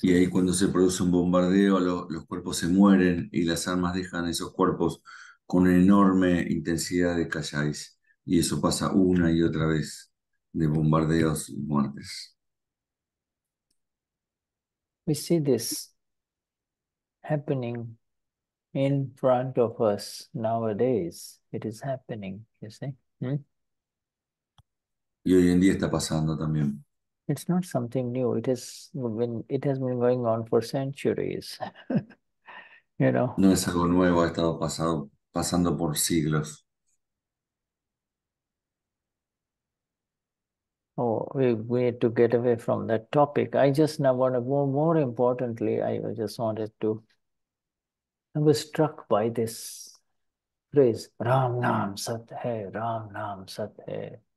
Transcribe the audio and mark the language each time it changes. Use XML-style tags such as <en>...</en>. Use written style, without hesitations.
<es>Y ahí cuando se produce un bombardeo, los cuerpos se mueren y las armas dejan esos cuerpos con enorme intensidad de calláis. Y eso pasa una y otra vez, de bombardeos y muertes.</es> <en>We see this happening in front of us nowadays. It is happening, you see. Hmm?</en> <es>Y hoy en día está pasando también.</es> <en>It's not something new. It has been going on for centuries. You know.</en> <es>No es algo nuevo, ha estado pasando por siglos.</es> <en>Oh, we need to get away from that topic. I just now want to go more importantly. I was struck by this phrase,</en> <hi>Ram Nam Sat Hai, Ram Nam Sat Hai.</hi>